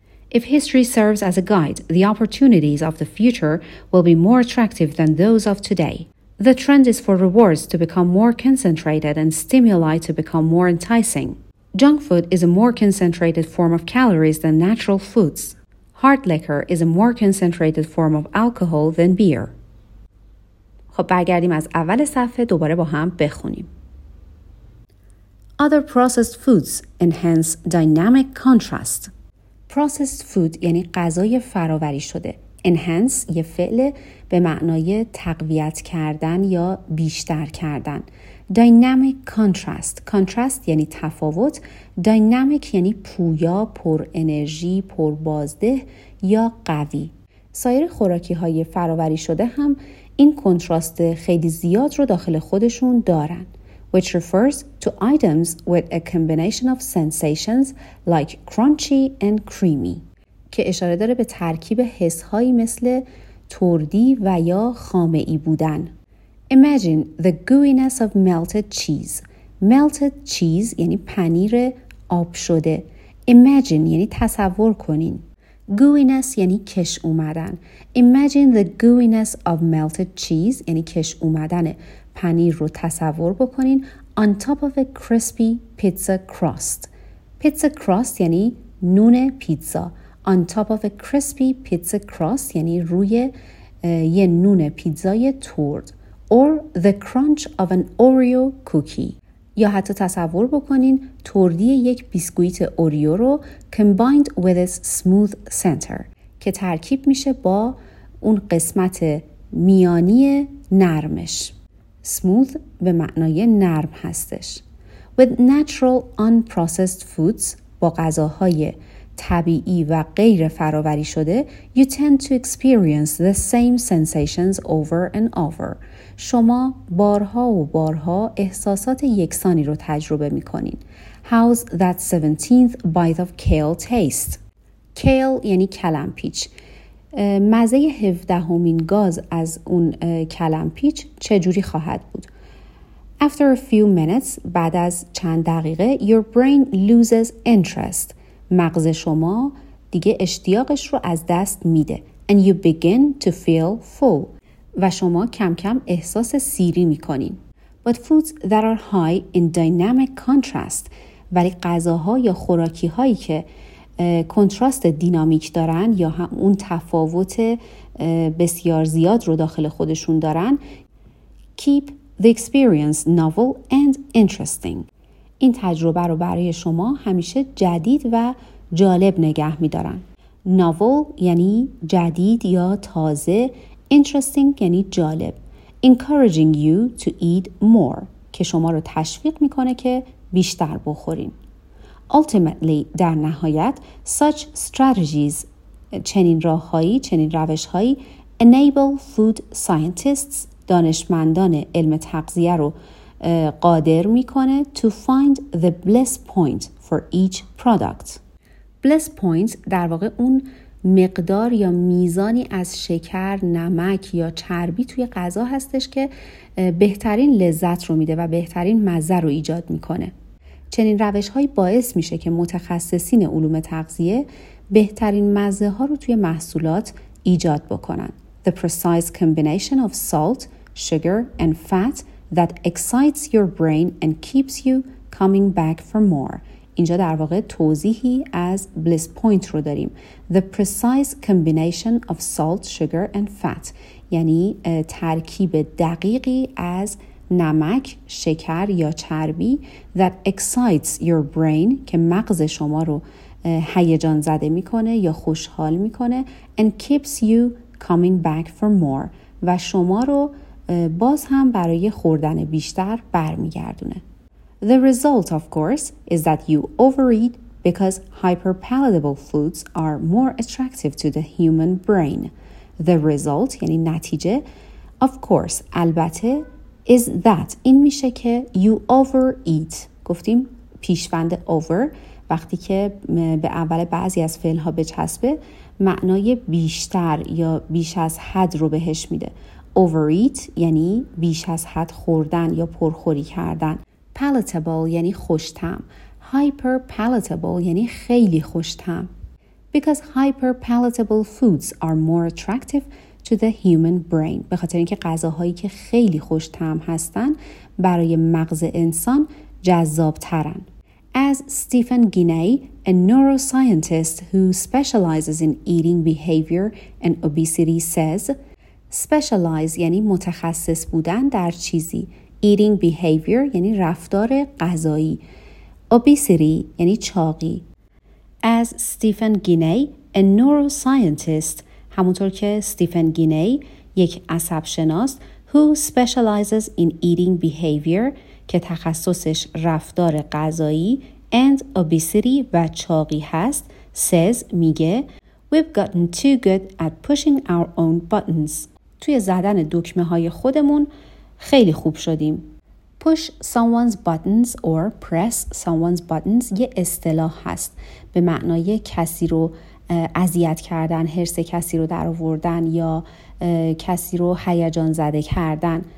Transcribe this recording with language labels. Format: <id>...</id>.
<en>If history serves as a guide, the opportunities of the future will be more attractive than those of today. The trend is for rewards to become more concentrated and stimuli to become more enticing. Junk food is a more concentrated form of calories than natural foods. Hard liquor is a more concentrated form of alcohol than beer.</en> <fa>خب برگردیم از اول صفحه دوباره با هم بخونیم.</fa> <en>Other processed foods enhance dynamic contrast.</en> <fa>Processed food یعنی غذای فراوری شده. Enhance یه فعل به معنای تقویت کردن یا بیشتر کردن.</fa> <en>Dynamic contrast.</en> <fa>Contrast یعنی تفاوت. Dynamic یعنی پویا، پر انرژی، پر بازده یا قوی. سایر خوراکی های فراوری شده هم این کنتراست خیلی زیاد رو داخل خودشون دارن.</fa> <en>Which refers to items with a combination of sensations like crunchy and creamy.</en> <fa>که اشاره داره به ترکیب حس هایی مثل تردی و یا خامه ای بودن.</fa> <en>Imagine the gooiness of melted cheese.</en> <fa>Melted cheese یعنی پنیر آب شده. Imagine یعنی تصور کنین. Gooiness یعنی کش اومدن.</fa> <en>Imagine the gooiness of melted cheese</en> <fa>یعنی کش اومدن پنیر رو تصور بکنین.</fa> <en>On top of a crispy pizza crust.</en> <fa>Pizza crust یعنی نون پیتزا.</fa> <en>On top of a crispy pizza crust</en> <fa>یعنی روی یه نون پیتزای ترد.</fa> <en>Or the crunch of an Oreo cookie.</en> <fa>یا حتی تصور بکنین تردی یک بیسکویت اوریو رو</fa> <en>combined with its smooth center</en> <fa>که ترکیب میشه با اون قسمت میانی نرمش. Smooth به معنای نرم هستش.</fa> <en>With natural unprocessed foods</en> <fa>با غذاهای طبیعی و غیر فراوری شده</fa> <en>you tend to experience the same sensations over and over.</en> <fa>شما بارها و بارها احساسات یکسانی رو تجربه میکنین.</fa> <en>How's that 17th bite of kale taste?</en> <fa>Kale یعنی کلمپیچ. مزه 17مین گاز از اون کلمپیچ چجوری خواهد بود؟</fa> <en>After a few minutes,</en> <fa>بعد از چند دقیقه, your brain loses interest. مغز شما دیگه اشتیاقش رو از دست میده.</fa> <en>And you begin to feel full.</en> <fa>و شما کم کم احساس سیری میکنین.</fa> <en>But foods that are high in dynamic contrast.</en> <fa>ولی غذاها یا خوراکی هایی که کنتراست دینامیک دارن یا هم اون تفاوت بسیار زیاد رو داخل خودشون دارن.</fa> <en>Keep the experience novel and interesting.</en> <fa>این تجربه رو برای شما همیشه جدید و جالب نگه می‌دارن. Novel یعنی جدید یا تازه، interesting یعنی جالب.</fa> <en>Encouraging you to eat more</en> <fa>که شما رو تشویق می‌کنه که بیشتر بخورین.</fa> <en>Ultimately</en> <fa>در نهایت</fa> <en>such strategies</en> <fa>چنین راه‌هایی، چنین روش‌هایی</fa> <en>enable food scientists</en> <fa>دانشمندان علم تغذیه رو قادر میکنه</fa> <en>to find the bliss point for each product.</en> <fa>Bliss point در واقع اون مقدار یا میزانی از شکر، نمک یا چربی توی غذا هستش که بهترین لذت رو میده و بهترین مزه رو ایجاد میکنه. چنین روش هایی باعث میشه که متخصصین علوم تغذیه بهترین مزه ها رو توی محصولات ایجاد بکنن.</fa> <en>The precise combination of salt, sugar and fat that excites your brain and keeps you coming back for more.</en> <fa>اینجا در واقع توضیحی از bliss point رو داریم.</fa> <en>The precise combination of salt, sugar and fat.</en> <fa>یعنی ترکیب دقیقی از نمک، شکر یا چربی</fa> <en>that excites your brain</en> <fa>که مغز شما رو هیجان زده میکنه یا خوشحال میکنه</fa> <en>and keeps you coming back for more</en> <fa>و شما رو باز هم برای خوردن بیشتر برمیگردونه.</fa> <en>The result of course is that you overeat because hyperpalatable foods are more attractive to the human brain. The result</en> <fa>یعنی نتیجه</fa> <en>of course</en> <fa>البته</fa> <en>is that</en> <fa>این میشه که</fa> <en>you overeat</en> <fa>گفتیم پیشوند over وقتی که به اول بعضی از فعل‌ها بچسبه معنای بیشتر یا بیش از حد رو بهش میده. Overeat یعنی بیش از حد خوردن یا پرخوری کردن. Palatable یعنی خوشتم. Hyper palatable یعنی خیلی خوشتم.</fa> <en>Because hyper palatable foods are more attractive to the human brain.</en> <fa>به خاطر اینکه غذاهایی که خیلی خوشتم هستن برای مغز انسان جذاب ترن.</fa> <en>As Stephen Guinea, a neuroscientist who specializes in eating behavior and obesity says, specialize</en> <fa>یعنی متخصص بودن در چیزی. Eating behavior یعنی رفتار غذایی. Obesity یعنی چاقی.</fa> <en>As Stephen Guinea, a neuroscientist,</en> <fa>همونطور که Stephen Guinea یک عصب شناس</fa> <en>who specializes in eating behavior</en> <fa>که تخصصش رفتار غذایی</fa> <en>and obesity</en> <fa>و چاقی هست</fa> <en>says</en> <fa>میگه</fa> <en>we've gotten too good at pushing our own buttons</en> <fa>توی زدن دکمه های خودمون خیلی خوب شدیم. Push someone's buttons or press someone's buttons یه اصطلاح هست به معنای کسی رو اذیت کردن، حرص کسی رو در آوردن یا کسی رو هیجان زده کردن.</fa>